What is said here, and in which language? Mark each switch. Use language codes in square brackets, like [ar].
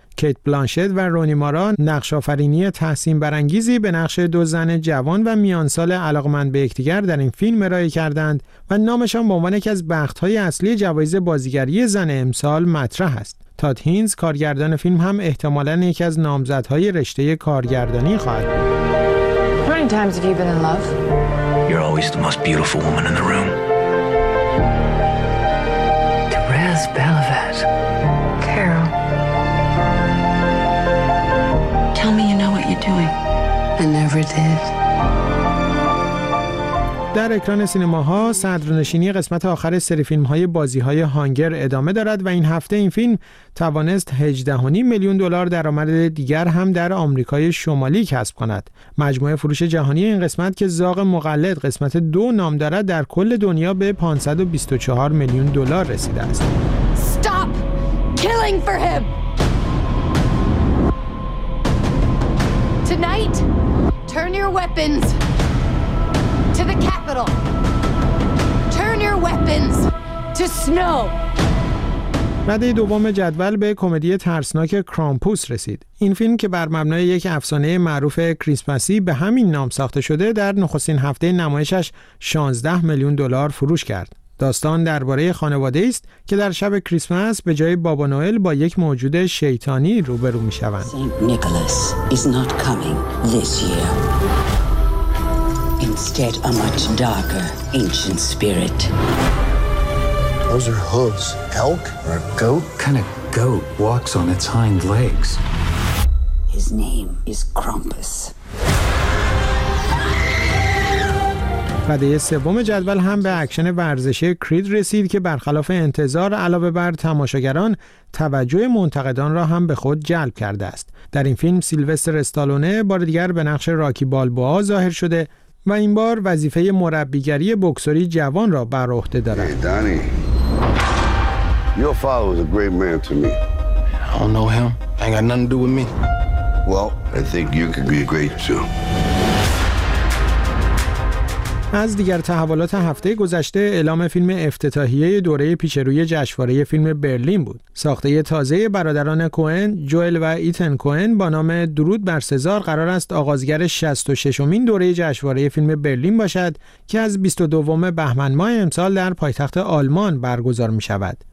[fa] کیت بلانشت و رونی مارا نقش‌آفرینی تحسین برانگیزی به نقش 2 زن جوان و میانسال علاقمند به یکدیگر در این فیلم ارائه کردند و نامشان به عنوان یکی از بخت‌های اصلی جوایز بازیگری زن امسال مطرح است. تاد هینز کارگردان فیلم هم احتمالاً یکی از نامزدهای رشته کارگردانی خواهد بود. [en] Times have you been in love? You're always the most beautiful woman in the room. Therese Belavet. Carol. Tell me you know what you're doing. I never did. [fa] در اکران سینماها صدرنشینی قسمت آخر سری فیلم‌های بازی‌های هانگر ادامه دارد و این هفته این فیلم توانست 18.5 میلیون دلار درآمد دیگر هم در آمریکای شمالی کسب کند. مجموعه فروش جهانی این قسمت که زاغ مقلد قسمت 2 نام دارد در کل دنیا به 524 میلیون دلار رسیده است. [en] Stop killing for him. Tonight, turn your weapons. To the Capitol. Turn your weapons to snow. [fa] رده دوم جدول به کمدی ترسناک کرامپوس رسید. این فیلم که بر مبنای یک افسانه معروف کریسمسی به همین نام ساخته شده در نخستین هفته نمایشش 16 میلیون دلار فروش کرد. داستان درباره خانواده است که در شب کریسمس به جای بابا نوئل با یک موجود شیطانی روبرو می شوند. [en] Saint Nicholas is not coming this year. Instead, a much darker ancient spirit. Those are hooves. Elk or a goat? What kind of goat walks on its hind legs? His name is Krampus. [fa] قده سوم جدول هم به اکشن ورزشی کرید رسید که برخلاف انتظار علاوه بر تماشاگران توجه منتقدان را هم به خود جلب کرده است. در این فیلم سیلوستر استالونه بار دیگر به نقش راکی بالبوا ظاهر شده و این بار وظیفه مربیگری بکسوری جوان را بر عهده دارد. [en] دانی، your father was a great man to me. I don't know him. I ain't got nothing to do with me. Well, I think you could be great too. [fa] از دیگر تحولات هفته گذشته اعلام فیلم افتتاحیه دوره پیشروی جشنواره فیلم برلین بود. ساخته تازه برادران کوئن، جوئل و ایتن کوئن با نام درود بر سزار قرار است آغازگر 66مین دوره جشنواره فیلم برلین باشد که از 22 بهمن ماه امسال در پایتخت آلمان برگزار می شود.